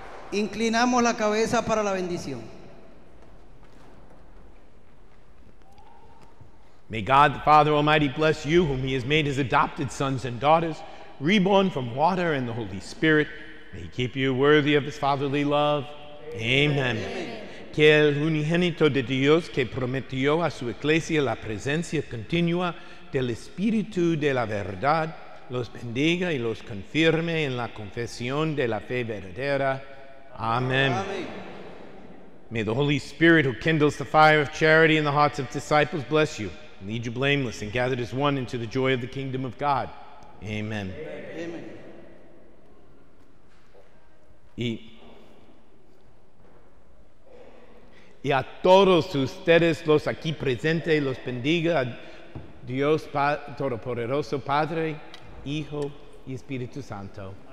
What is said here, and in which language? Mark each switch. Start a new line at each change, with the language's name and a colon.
Spanish: Inclinamos la cabeza para la bendición.
English: May God the Father Almighty bless you, whom he has made his adopted sons and daughters, reborn from water and the Holy Spirit. May he keep you worthy of his fatherly love. Amen.
Spanish: Que el unigénito de Dios que prometió a su iglesia la presencia continua del Espíritu de la verdad los bendiga y los confirme en la confesión de la fe verdadera. Amen.
English: May the Holy Spirit, who kindles the fire of charity in the hearts of disciples, bless you, lead you blameless, and gather as one into the joy of the kingdom of God. Amen. Amen.
Spanish: Y a todos ustedes los aquí presentes, los bendiga Dios Todopoderoso, Padre, Hijo y Espíritu Santo.